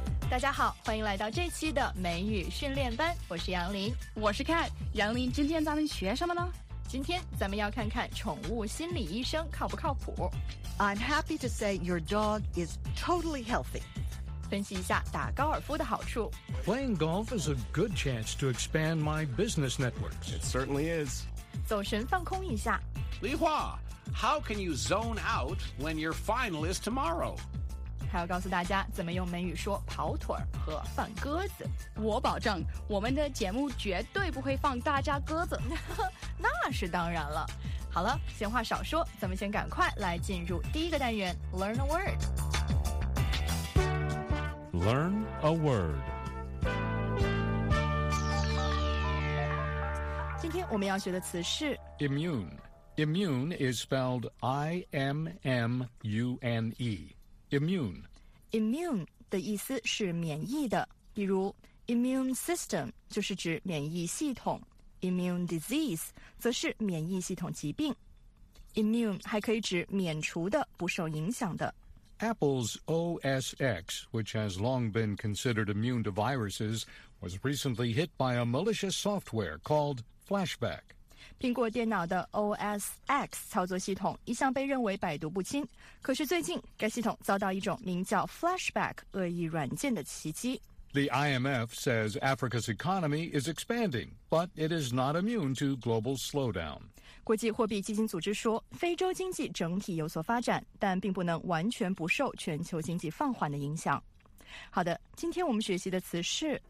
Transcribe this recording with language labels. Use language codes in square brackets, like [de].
[zh] 大家好，欢迎来到这期的美语训练班，我是杨林。我是 Kat。杨林，今天咱们学什么呢？今天咱们要看看宠物心理医生靠不靠谱。 [en] I'm happy to say your dog is totally healthy。 [zh] 分析一下打高尔夫的好处。 [en] Playing golf is a good chance to expand my business network. It certainly is. [zh] 走神放空一下。 [en] Li Hua, how can you zone out when your final is tomorrow? [zh] 还要告诉大家怎么用美语说跑腿和放鸽子。我保证我们的节目绝对不会放大家鸽子。那是当然了。好了，闲话少说，咱们先赶快来进入第一个单元 [en] Learn a word。 Learn a word. [zh] 今天我们要学的词是 [en] immune. Immune is spelled I-M-M-U-N-E. Immune. [zh] Immune 的意思是免疫的，比如 immune system 就是指免疫系统， immune disease 则是免疫系统疾病。 Immune 还可以指免除的，不受影响的。 [en] Apple's OS X, which has long been considered immune to viruses, was recently hit by a malicious software called Flashback. [zh] 苹果电脑的 OS X 操作系统一向被认为百毒不侵，可是最近该系统遭到一种名叫 Flashback 恶意软件的袭击。 [en] The IMF says Africa's economy is expanding, but it is not immune to global slowdown. [zh] 国际货币基金组织说，非洲经济整体有所发展，但并不能完全不受全球经济放缓的影响。好的，今天我们学习的词是